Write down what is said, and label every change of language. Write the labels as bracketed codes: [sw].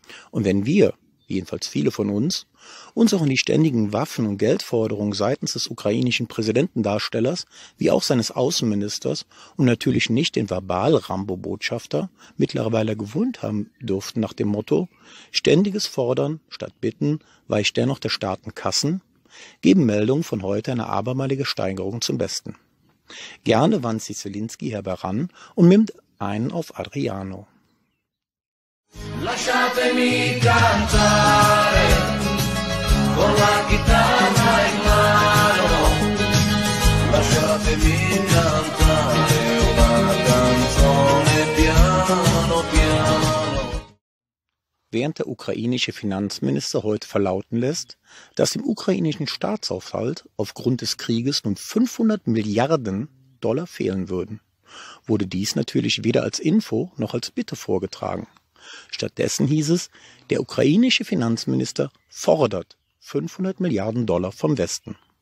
[de] Und wenn wir, jedenfalls viele von uns auch in die ständigen Waffen- und Geldforderungen seitens des ukrainischen Präsidentendarstellers wie auch seines Außenministers und natürlich nicht den Verbal-Rambo-Botschafter mittlerweile gewohnt haben dürften nach dem Motto ständiges Fordern statt Bitten weicht dennoch der Staatenkassen, geben Meldungen von heute eine abermalige Steigerung zum Besten. Gerne wandt sich Zelensky herbei ran und nimmt einen auf Adriano. [it] Lasciatemi cantare con la chitarra in mano, lasciatemi cantare una canzone piano piano. [de] Während der ukrainische Finanzminister heute verlauten lässt, dass im ukrainischen Staatshaushalt aufgrund des Krieges nun 500 Milliarden Dollar fehlen würden, wurde dies natürlich weder als Info noch als Bitte vorgetragen. Stattdessen hieß es, der ukrainische Finanzminister fordert 500 Milliarden Dollar vom Westen.